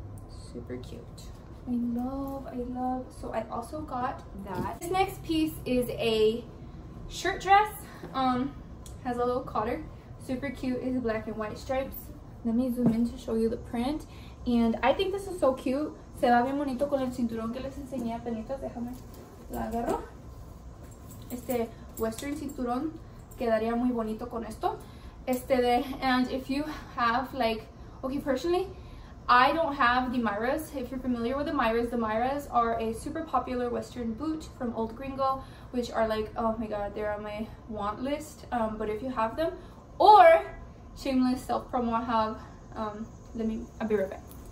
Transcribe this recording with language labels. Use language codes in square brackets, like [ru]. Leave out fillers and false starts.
[en] Super cute. I love. So I also got that. This next piece is a shirt dress. Has a little collar. Super cute. It's black and white stripes. Let me zoom in to show you the print. And I think this is so cute. [es] Se va bien bonito con el cinturón que les enseñé apenitas. Déjame. La agarro. Este western cinturón quedaría muy bonito con esto. Este de, [en] and if you have like, okay, personally, I don't have the Myras. If you're familiar with the Myras are a super popular western boot from Old Gringo, which are like, oh my god, they're on my want list. But if you have them, or shameless self promo, I have, I'll be right back.